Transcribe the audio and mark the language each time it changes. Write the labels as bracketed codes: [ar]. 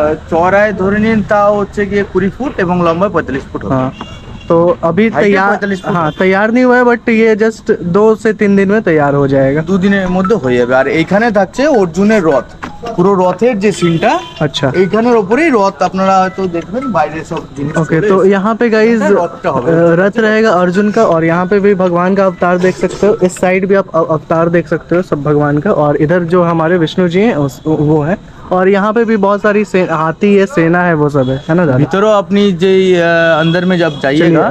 [hi] चौड़ाई धोरनी की 20 फुट एवं लंबा 45 फुट। तो अभी तैयार, हाँ तैयार नहीं हुआ है, बट ये जस्ट 2 से 3 दिन में तैयार हो जाएगा। 2 दिन मध्य हो जाएगा। [bn] और এখানে থাকছে অর্জুনের রথ, পুরো রথের যে সিনটা। [hi] अच्छा, [bn] এখানের উপরেই রথ আপনারা হয়তো দেখবেন বাইরে সব জিনিস। [hi] ওকে, তো यहां पे गाइस রথ रहेगा अर्जुन का, और यहां पे भी भगवान का अवतार देख सकते हो। इस साइड भी आप अवतार देख सकते हो सब भगवान का, और इधर जो हमारे विष्णु जी हैं वो है, और यहाँ पे भी बहुत सारी हाथी है, सेना है, वो सब है ना दादा? भीतरो अपनी जे अंदर में जब जाइएगा,